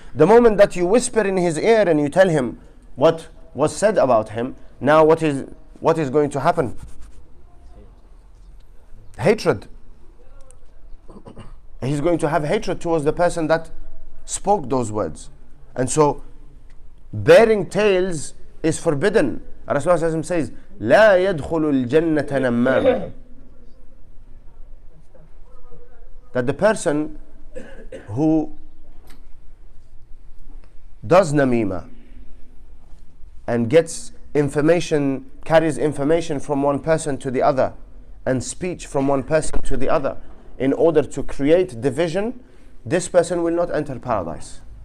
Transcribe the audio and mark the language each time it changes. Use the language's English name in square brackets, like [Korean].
[English] The moment that you whisper in his ear and you tell him what was said about him, now what is going to happen? Hatred. he's going to have hatred towards the person that spoke those words. And so bearing tales is forbidden. Rasulullah says, [Arabic] لا يدخل الجنة نمام. [English] That the person who does namima and gets information, carries information from one person to the other, and speech from one person to the other, in order to create division, this person will not enter paradise.